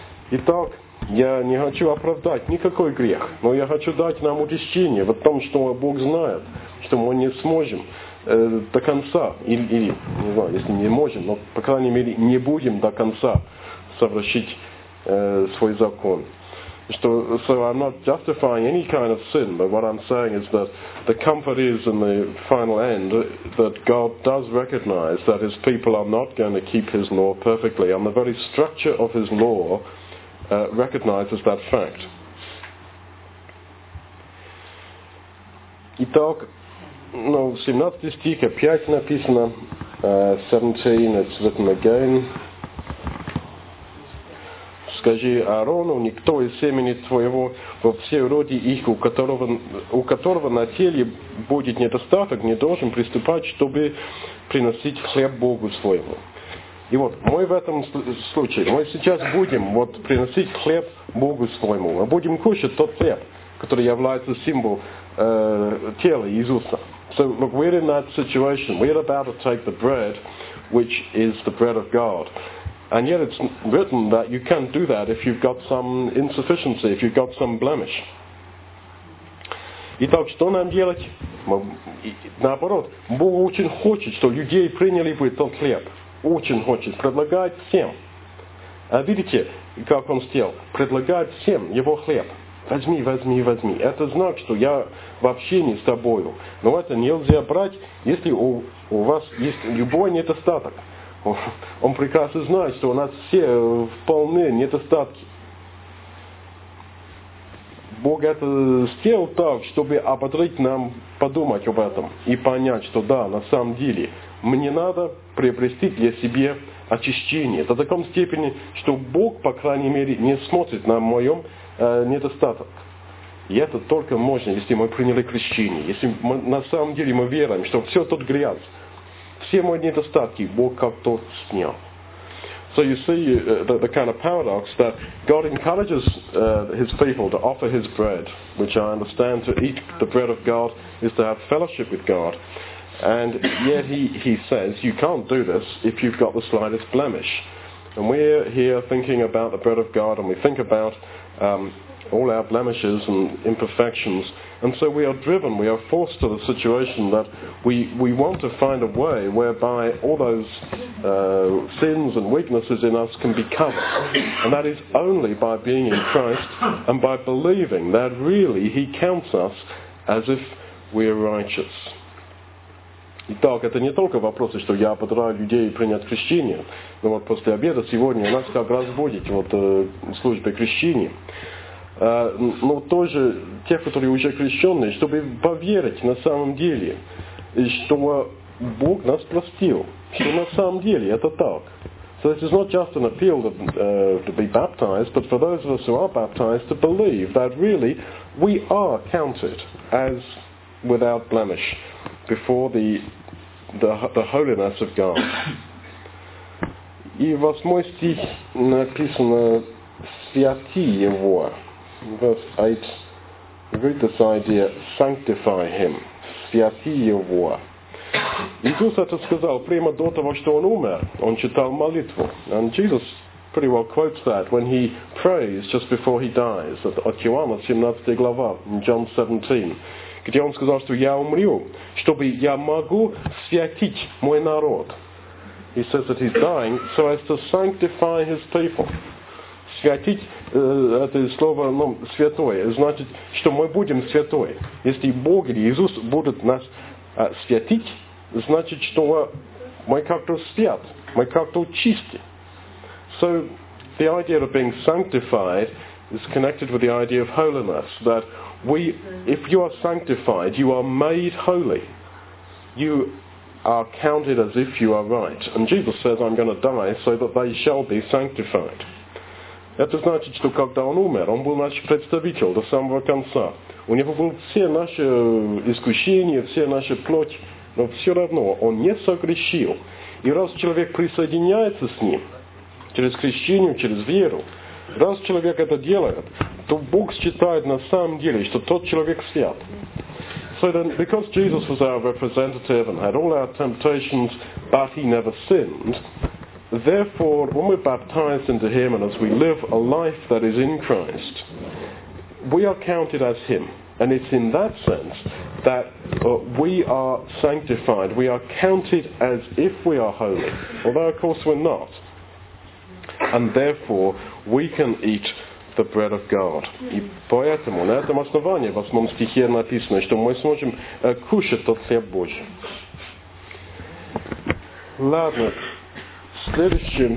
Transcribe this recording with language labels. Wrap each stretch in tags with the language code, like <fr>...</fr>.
<ru>Итак, я не хочу оправдать никакой грех, но я хочу дать нам утешение в том, что Бог знает, что мы не сможем до конца, или не знаю, если не можем, но, по крайней мере, не будем до конца совращить свой закон.</ru> <en>So I'm not justifying any kind of sin, but what I'm saying is that the comfort is in the final end that God does recognize that his people are not going to keep his law perfectly, and the very structure of his law recognizes that fact.</en> <ru>Итак, ну, 17 стих, 5 написано, 17,</ru> <en>it's written again.</en> <ru>Скажи Аарону, никто из семени твоего во все роди их, у которого на теле будет недостаток, не должен приступать, чтобы приносить хлеб Богу своему. И вот мы в этом случае, мы сейчас будем вот приносить хлеб Богу своему. Мы будем кушать тот хлеб, который является символом тела Иисуса.</ru> <en>So look, we're in that situation. We're about to take the bread, which is the bread of God. And yet it's written that you can't do that if you've got some insufficiency, if you've got some blemish.</en> <ru>Итак, что нам делать? Наоборот, Бог очень хочет, что людей приняли бы тот хлеб. Очень хочет. Предлагает всем. А видите, как он сделал? Предлагает всем его хлеб. Возьми, возьми, возьми. Это знак, что я вообще не с тобою. Но это нельзя брать, если у вас есть любой недостаток. Он прекрасно знает, что у нас все вполне недостатки. Бог это сделал так, чтобы ободрить нам подумать об этом и понять, что да, на самом деле, мне надо приобрести для себя очищение. До такой степени, что Бог, по крайней мере, не смотрит на мой недостаток. И это только можно, если мы приняли крещение. Если мы, на самом деле мы верим, что все тут грязь. Все мои недостатки Бог как-то снял.</ru> <en>So you see the kind of paradox that God encourages his people to offer his bread, which I understand to eat the bread of God is to have fellowship with God. And yet he says you can't do this if you've got the slightest blemish. And we're here thinking about the bread of God and we think about all our blemishes and imperfections, and so we are driven, we are forced to the situation that we want to find a way whereby all those sins and weaknesses in us can be covered, and that is only by being in Christ and by believing that really he counts us as if we are righteous.</en> <ru>Итак, это не только вопросы, что я ободраю людей принять крещение, но вот после обеда сегодня у нас как раз будет вот служба крещения. Но тоже те, которые уже крещенные, чтобы поверить на самом деле, что Бог нас простил, что на самом деле это так.</ru> <en>So this is not just an appeal to be baptized, but for those of us who are baptized to believe that really we are counted as without blemish before the holiness of God.</en> <ru>И восьмой стих написано «святи его».</ru> <en>Verse 8, read this idea, sanctify him,</en> <ru>святи его. Иисус это сказал прямо до того, что он умер. Он читал молитву.</ru> <en>And Jesus pretty well quotes that when he prays just before he dies at</en> <ru>Иоанна 17 глава, John 17, где он сказал, что я умру, чтобы я могу святить мой народ.</ru> <en>He says that he's dying so as to sanctify his people.</en> <ru>Святить, это слово, ну, святое, значит, что мы будем святой. Если Бог или Иисус будет нас святить, значит, что мы как-то свят, мы как-то чисты.</ru> <en>So, the idea of being sanctified is connected with the idea of holiness, that we, if you are sanctified, you are made holy. You are counted as if you are right. And Jesus says, I'm going to die so that they shall be sanctified.</en> <ru>Это значит, что когда он умер, он был наш представитель до самого конца. У него были все наши искушения, все наши плоть, но все равно он не согрешил. И раз человек присоединяется с ним, через крещение, через веру, раз человек это делает, то Бог считает на самом деле, что тот человек свят.</ru> <en>So then, because Jesus was our representative and had all our temptations, but he never sinned, therefore, when we're baptized into him and as we live a life that is in Christ, we are counted as him. And it's in that sense that we are sanctified. We are counted as if we are holy, although of course we're not. And therefore, we can eat the bread of God.</en> <ru>И поэтому, на этом основании, в восьмом стихе написано, что мы сможем кушать тот хлеб Божий. Ладно. Следующий.</ru>